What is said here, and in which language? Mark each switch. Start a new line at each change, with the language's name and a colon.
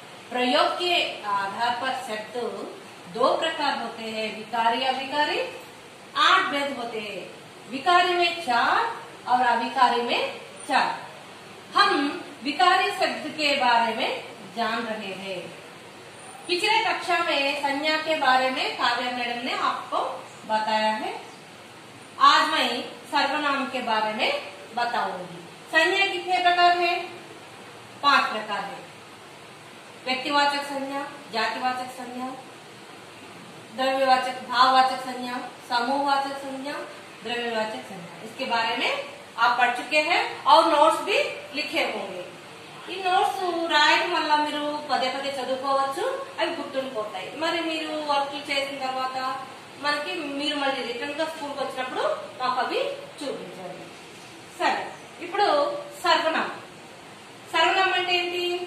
Hindi: ప్రయోగ కే ఆధార్ పర్ శబ్ద దో ప్రకార హోతే హై, వికారీ అవికారీ 8 भेद होते हैं, विकारी में 4 और अविकारी में 4। हम विकारी शब्द के बारे में जान रहे हैं। पिछले कक्षा में संज्ञा के बारे में काव्या मैडम ने आपको बताया है, आज मैं सर्वनाम के बारे में बताऊंगी। संज्ञा कितने प्रकार है? 5 प्रकार है, व्यक्तिवाचक संज्ञा, जातिवाचक संज्ञा, द्रव्यवाचक भाववाचक संज्ञा, समूहवाचक संज्ञा, द्रव्यवाचक संज्ञा। इसके बारे में आप पढ़ चुके हैं और नोट्स भी लिखे होंगे।
Telugu: ఈ నోట్స్ రాయడం వల్ల మీరు పదే పదే చదువుకోవచ్చు, అవి గుర్తుండిపోతాయి. మరి మీరు వర్క్ చేసిన తర్వాత మనకి మీరు మళ్ళీ రిటర్న్ గా స్కూల్ కి వచ్చినప్పుడు మాకు అవి చూపించండి. సరే, ఇప్పుడు సర్వనామం. సర్వనామం అంటే ఏంటి?